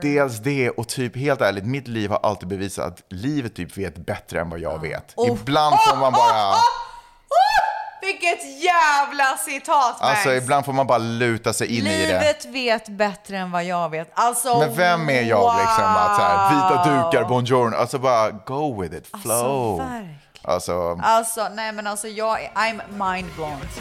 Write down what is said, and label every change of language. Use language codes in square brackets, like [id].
[sv] Dels det, och typ helt ärligt, mitt liv har alltid bevisat att livet typ vet bättre än vad jag vet. Ibland får man bara... Vilket jävla citat, Max. Alltså ibland får man bara luta sig in livet i det. Livet vet bättre än vad jag vet. Alltså, men vem är jag [en] wow. [sv] liksom? Att så här, vita dukar, buongiorno. Alltså bara, [en] go with it, flow. [sv] Alltså, verkligen. Alltså, nej men alltså jag är, [en] I'm mind blown.